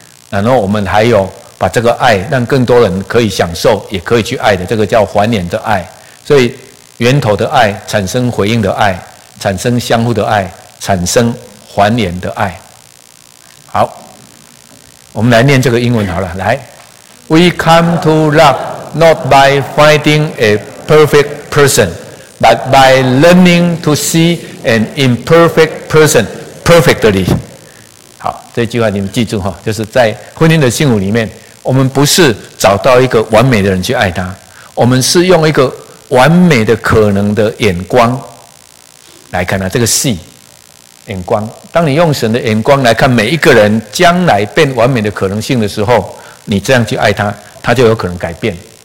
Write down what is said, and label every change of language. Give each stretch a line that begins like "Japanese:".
Chinese: 然后我们还有把这个爱让更多人可以享受，也可以去爱的，这个叫还脸的爱。所以源头的爱产生回应的爱，产生相互的爱，产生还脸的爱。好，我们来念这个英文好了。
English: 来 We come to love not by finding a perfect person but by learning to see an imperfect person perfectly。
Chinese: 好，这句话你们记住，就是在婚姻的幸福里面，我们不是找到一个完美的人去爱他，我们是用一个完美的可能的眼光来看他，这个戏眼光。当你用神的眼光来看每一个人将来变完美的可能性的时候，你这样去爱他，他就有可能改变。